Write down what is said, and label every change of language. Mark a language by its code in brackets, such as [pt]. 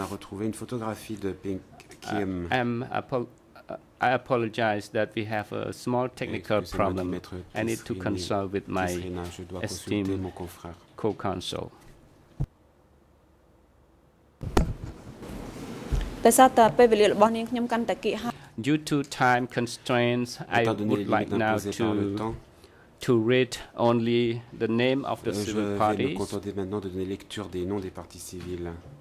[fr] On a retrouvé une photographie de Pik Kim. [en] I apologize that we have a small technical problem. I need to consult with my esteemed co-counsel. Due to time constraints, I would like now to read only the name of the civil parties. [fr] Je vais me contenter maintenant de donner lecture des noms des parties civiles.